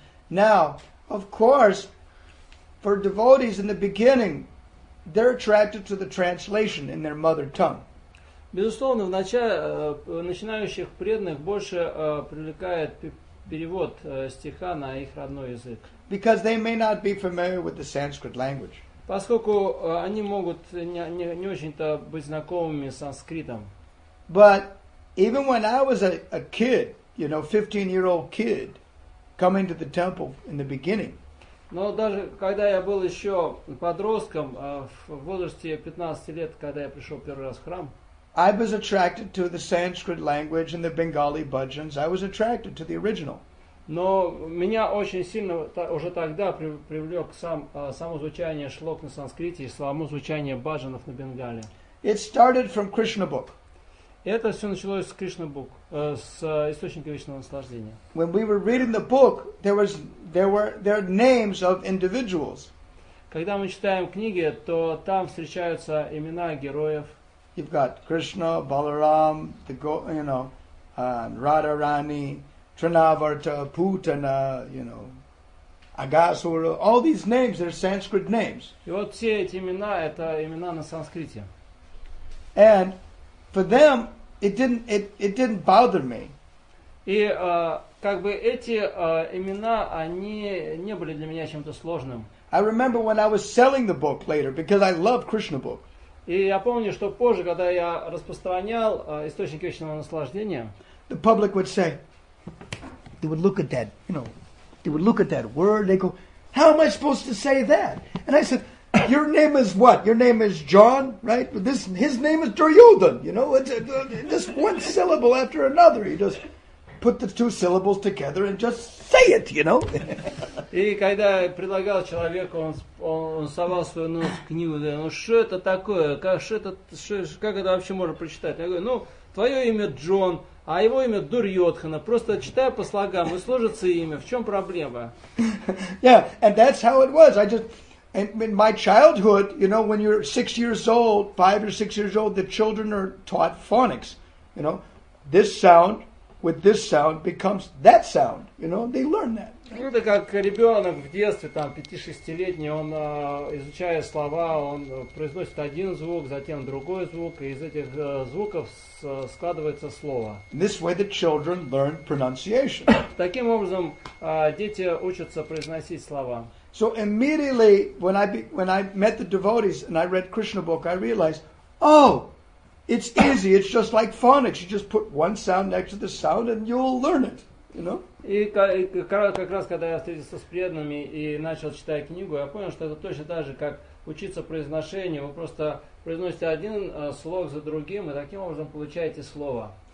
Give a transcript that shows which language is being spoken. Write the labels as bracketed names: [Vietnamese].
[English] Now, of course, for devotees in the beginning, they're attracted to the translation in their mother tongue. [Russian] Безусловно, в начале начинающих преданных больше привлекает перевод стиха на их родной язык. [English] Because they may not be familiar with the Sanskrit language. [Russian] Поскольку они могут не очень-то быть знакомыми с санскритом. [English] But even when I was a kid, you know, 15-year-old kid, coming to the temple in the beginning. [Russian] Но даже когда я был еще подростком, в возрасте 15 лет, когда я пришел первый раз в храм, [English] I was attracted to the Sanskrit language and the Bengali bhajans. I was attracted to the original. [Russian] Но меня очень сильно уже тогда привлек само звучание шлок на санскрите и само звучание бхаджанов на Бенгале. [English] It started from Krishna book. [Russian] Это все началось с Кришна Бук, с источника вечного наслаждения. [English] When we were reading the book, there were names of individuals. [Russian] Когда мы читаем книги, то там встречаются имена героев. [English] You've got Krishna, Balaram, Radharani, Trinavarta, Putana, Agasura, all these names, they're Sanskrit names. [Russian] И вот все эти имена, это имена на санскрите. [English] And for them, It didn't bother me. [Russian] И как бы эти имена, они не были для меня чем-то сложным. [English] I remember when I was selling the book later because I love Krishna book. [Russian] И я помню, что позже, когда я распространял источник вечного наслаждения, [English] the public would say, they would look at that, they would look at that word, they go, how am I supposed to say that? And I said, your name is what? Your name is John, right? But his name is Duryodhan, It's just one syllable after another. You just put the two syllables together and just say it, [Russian] И когда я предлагал человеку, он совал свой нос в книгу, говорит, что это такое? Как это вообще можно прочитать? Я говорю, твое имя Джон, а его имя Дурьотхана. Просто читай по слогам, и сложится имя. В чем проблема? [English] Yeah, and that's how it was. And in my childhood, when you're 6 years old, 5 or 6 years old, the children are taught phonics. This sound with this sound becomes that sound. They learn that. [Russian] Ну, это как ребенок в детстве, 5-6-летний, он, изучая слова, он произносит один звук, затем другой звук, и из этих звуков складывается слово. [English] This way the children learn pronunciation. [Russian] Таким образом, дети учатся произносить слова. [English] So immediately when I met the devotees and I read Krishna book, I realized, it's easy. It's just like phonics. You just put one sound next to the sound and you'll learn it. [Russian] И как раз когда я встретился с преданными и начал читать книгу, я понял, что это точно так же, как учиться произношению. Вы просто произносите один слог за другим и таким образом получаете слово.